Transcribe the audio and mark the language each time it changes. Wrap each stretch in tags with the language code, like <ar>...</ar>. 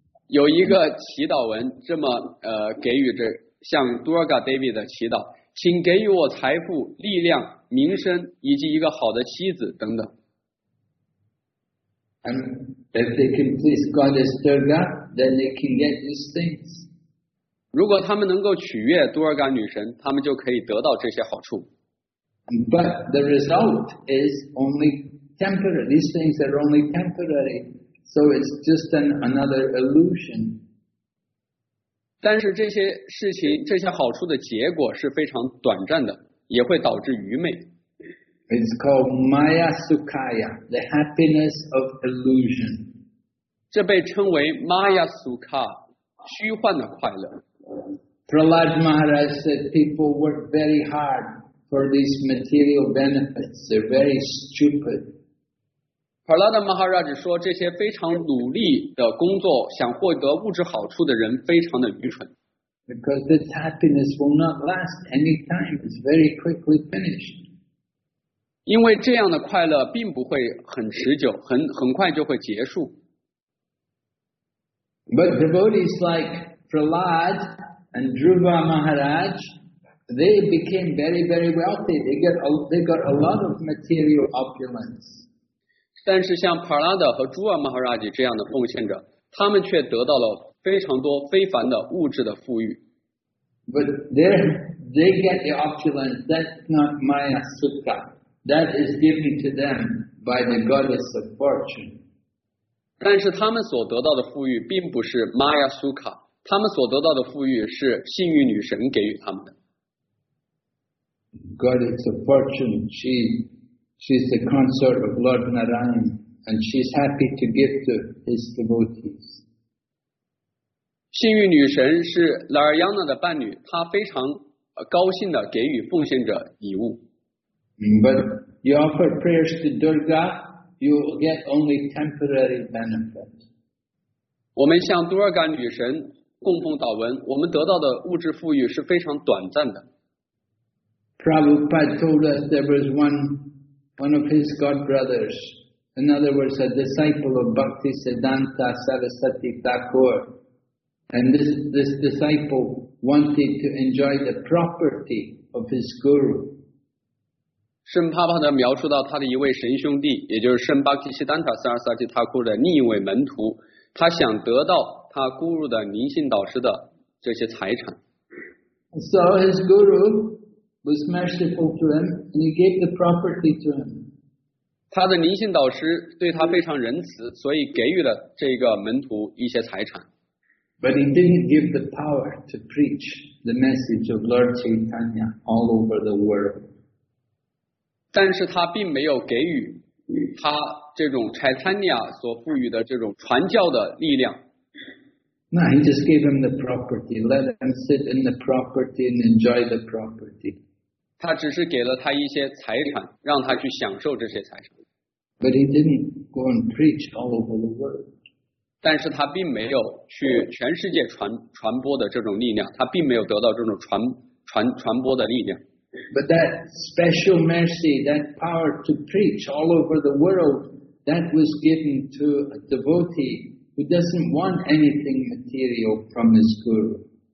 <zh>有一个祈祷文这么给予着向 Durga Devi 的祈祷，请给予我财富、力量、名声以及一个好的妻子等等。</zh> <en>And if they can please Goddess Durga, then they can get these things.</en> <zh>如果他们能够取悦 Durga 女神，他们就可以得到这些好处。</zh> <en>But the result is only temporary. These things are only temporary, so it's just another illusion.</en> <zh>但是这些事情、这些好处的结果是非常短暂的，也会导致愚昧。</zh> <en>It's called Maya Sukaya, the happiness of illusion.</en> <zh>这被称为 Maya Sukha, 虚幻的快乐。</zh> <en>Prahlad Maharaj said people work very hard for these material benefits. They're very stupid.</en> <zh>Prahlad Maharaj 说这些非常努力的工作想获得物质好处的人非常的愚蠢。</zh> <en>Because this happiness will not last any time. It's very quickly finished.</en> <zh>因为这样的快乐并不会很持久，很快就会结束。</zh> <en>But devotees like Prahlad and Dhruva Maharaj, they became very, very wealthy. They got a lot of material opulence.</en> <zh>但是像 Prahlad 和 Dhruva Maharaj 这样的奉献者，他们却得到了非常多非凡的物质的富裕。</zh> <en>But they get the opulence. That's not Maya Sukha. That is given to them by the goddess of fortune.</en> <zh>但是他们所得到的富裕并不是 Maya Sukha, 他们所得到的富裕是幸运女神给予他们的。</zh> <en>Goddess of fortune, she's the consort of Lord Narayan, and she's happy to give to his devotees.</en> <zh>幸运女神是 Narayana 的伴侣，她非常高兴地给予奉献者礼物。</zh> <en>But you offer prayers to Durga, you get only temporary benefit.</en> <zh>我们向 Durga 女神供奉祷文，我们得到的物质富裕是非常短暂的。</zh> <en>Prabhupada told us there was one of his god brothers, in other words, a disciple of Bhaktisiddhanta Sarasvati Thakur, and this disciple wanted to enjoy the property of his guru.</en> <zh>圣帕帕的描述到他的一位神兄弟，也就是圣巴基西丹塔萨尔萨基塔库的另一位门徒，他想得到他咕噜的灵性导师的这些财产。</zh> <en>So his guru was merciful to him, and he gave the property to him.</en> <zh>他的灵性导师对他非常仁慈，所以给予了这个门徒一些财产。</zh> <en>But he didn't give the power to preach the message of Lord Chaitanya all over the world.</en> <zh>但是他并没有给予他这种 Chaitanya 所赋予的这种传教的力量。</zh> <en>No, he just gave him the property. Let him sit in the property and enjoy the property.</en> <zh>他只是给了他一些财产，让他去享受这些财产。</zh> <en>But he didn't go and preach all over the world.</en> <zh>但是他并没有去全世界传播的这种力量，他并没有得到这种传播的力量。</zh> <en>But that special mercy, that power to preach all over the world, that was given to a devotee who doesn't want anything material from his guru.</en>